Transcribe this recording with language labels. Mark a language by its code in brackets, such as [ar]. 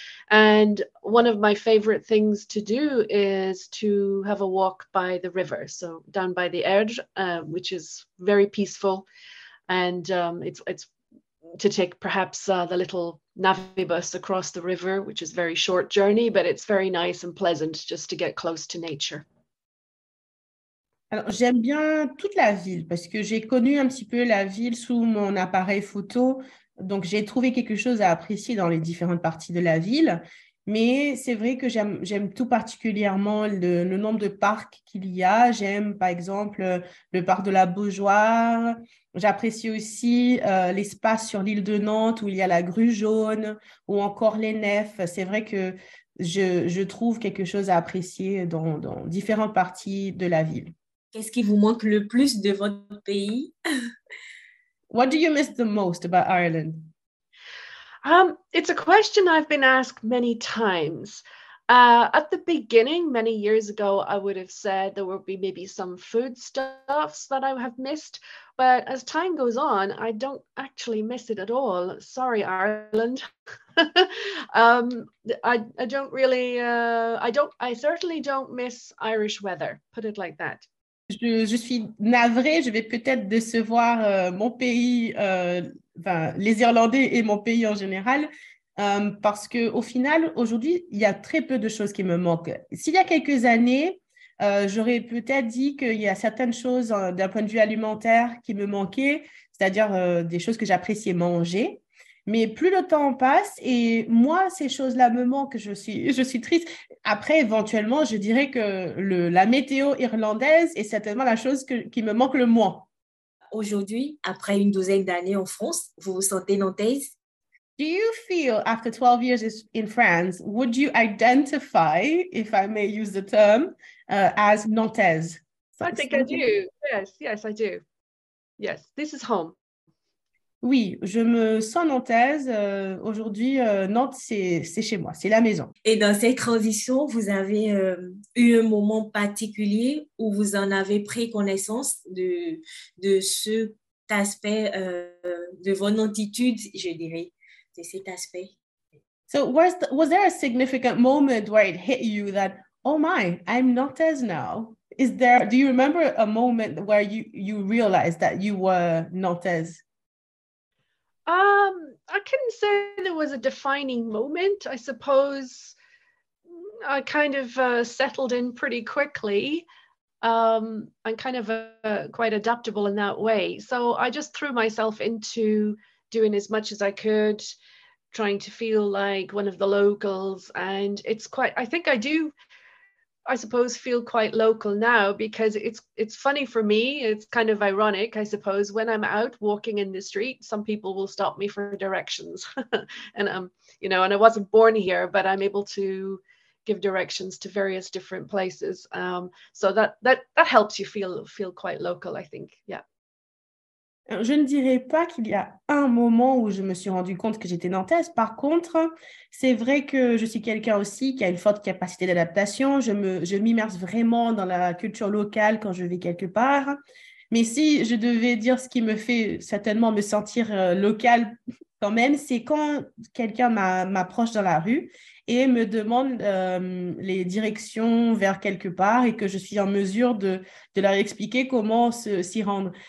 [en] And one of my favorite things to do is to have a walk by the river. So down by the Erdre, which is very peaceful. And it's to take perhaps the little Navibus across the river, which is a very short journey, but it's very nice and pleasant just to get close to nature. [fr] Alors, j'aime bien toute la ville parce que j'ai connu un petit peu la ville sous mon appareil photo. Donc, j'ai trouvé quelque chose à apprécier dans les différentes parties de la ville. Mais c'est vrai que j'aime tout particulièrement le nombre de parcs qu'il y a. J'aime, par exemple, le parc de la Beaujoire. J'apprécie aussi l'espace sur l'île de Nantes où il y a la Grue jaune ou encore les nefs. C'est vrai que je trouve quelque chose à apprécier dans différentes parties de la ville. Qu'est-ce qui vous manque le plus de votre pays? [en] What do you miss the most about Ireland? It's a question I've been asked many times. At the beginning, many years ago, I would have said there would be maybe some foodstuffs that I have missed. But as time goes on, I don't actually miss it at all. Sorry, Ireland. I don't really, I don't, I certainly don't miss Irish weather, put it like that. [fr] Je suis navrée, je vais peut-être décevoir mon pays, enfin, les Irlandais et mon pays en général, parce qu'au final, aujourd'hui, il y a très peu de choses qui me manquent. S'il y a quelques années, j'aurais peut-être dit qu'il y a certaines choses d'un point de vue alimentaire qui me manquaient, c'est-à-dire des choses que j'appréciais manger. Mais plus le temps passe et moi, ces choses-là me manquent, je suis triste. Après, éventuellement, je dirais que la météo irlandaise est certainement la chose qui me manque le moins. Aujourd'hui, après une douzaine d'années en France, vous vous sentez nantaise? [en] Do you feel after 12 years in France, would you identify, if I may use the term, as Nantaise? I think I do. Yes, I do. Yes, this is home. [fr] Oui, je me sens nantaise. Aujourd'hui, Nantes, c'est chez moi, c'est la maison. Et dans cette transition, vous avez eu un moment particulier où vous en avez pris connaissance de cet aspect de votre attitude, je dirais, de cet aspect. [en] So, was there a significant moment where it hit you that, oh my, I'm Nantaise now? Do you remember a moment where you realized that you were Nantaise? I couldn't say there was a defining moment. I suppose I kind of settled in pretty quickly. I'm kind of quite adaptable in that way. So I just threw myself into doing as much as I could, trying to feel like one of the locals. And it's quite, I think I do, I suppose, feel quite local now because it's funny for me. It's kind of ironic, I suppose. When I'm out walking in the street, some people will stop me for directions. And and I wasn't born here, but I'm able to give directions to various different places. So that helps you feel quite local, I think. Yeah. [fr] Je ne dirais pas qu'il y a un moment où je me suis rendu compte que j'étais nantaise. Par contre, c'est vrai que je suis quelqu'un aussi qui a une forte capacité d'adaptation. Je m'immerse vraiment dans la culture locale quand je vais quelque part. Mais si je devais dire ce qui me fait certainement me sentir locale quand même, c'est quand quelqu'un m'approche dans la rue et me demande les directions vers quelque part et que je suis en mesure de leur expliquer comment s'y rendre.